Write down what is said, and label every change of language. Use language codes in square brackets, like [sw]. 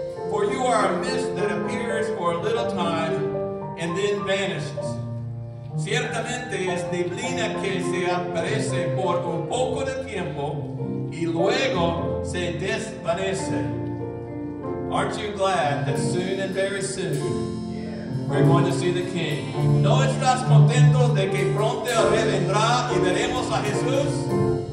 [en] For you are a mist that appears for a little time and then vanishes. [es] Ciertamente es neblina que se aparece por un poco de tiempo y luego se desvanece. [en] Aren't you glad that soon and very soon we're going to see the King? [es] ¿No estás contento de que pronto el rey vendrá y veremos a Jesús?